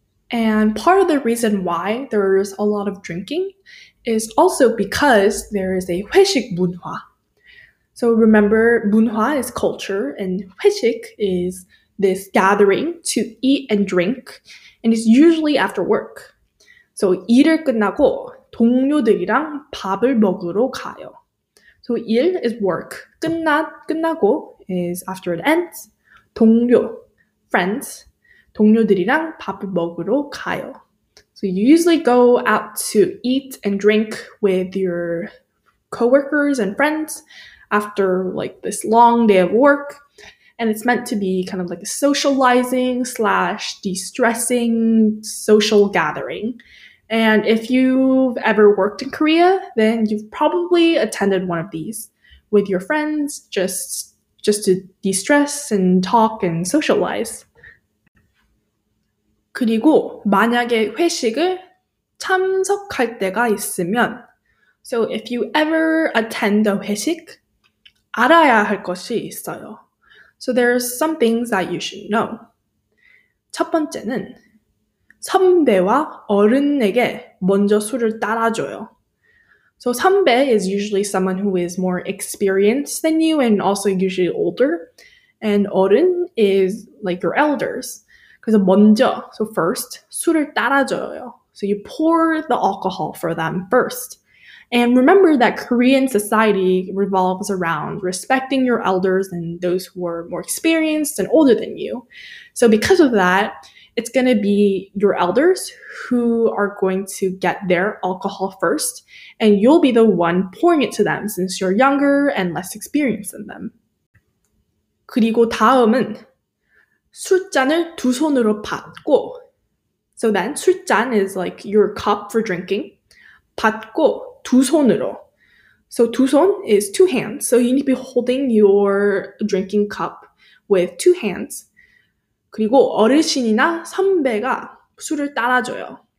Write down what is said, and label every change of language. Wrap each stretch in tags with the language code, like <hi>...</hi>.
<en>And part of the reason why there's a lot of drinking is also because there is a 회식 문화. So remember, 문화 is culture, and 회식 is this gathering to eat and drink, and it's usually after work.</en> <ko>So 일을 끝나고 동료들이랑 밥을 먹으러 가요.</ko> <en>So 일 is work. 끝나고 is after it ends.</en> <ko>동료, friends, 동료들이랑 밥을 먹으러 가요.</ko> <en>So you usually go out to eat and drink with your coworkers and friends after like this long day of work, and it's meant to be kind of like a socializing / de-stressing social gathering. And if you've ever worked in Korea, then you've probably attended one of these with your friends just to de-stress and talk and socialize.</en> <ko>그리고 만약에 회식을 참석할 때가 있으면,</ko> <en>so if you ever attend a 회식,</en> <ko>알아야 할 것이 있어요.</ko> <en>So there are some things that you should know.</en> <ko>첫 번째는 선배와 어른에게 먼저 술을 따라줘요.</ko> <en>So 선배 is usually someone who is more experienced than you and also usually older. And 어른 is like your elders.</en> <ko>그래서 먼저,</ko> <en>so first,</en> <ko>술을 따라줘요.</ko> <en>So you pour the alcohol for them first. And remember that Korean society revolves around respecting your elders and those who are more experienced and older than you. So because of that, it's going to be your elders who are going to get their alcohol first, and you'll be the one pouring it to them since you're younger and less experienced than them.</en> <ko>그리고 다음은 술잔을 두 손으로 받고.</ko> <en>So then 술잔 is like your cup for drinking.</en> <ko>받고 두 손으로.</ko> <en>So 두 손 is two hands. So you need to be holding your drinking cup with two hands.</en> <ko>그리고 어르신이나 선배가 술을 따라줘요.</ko>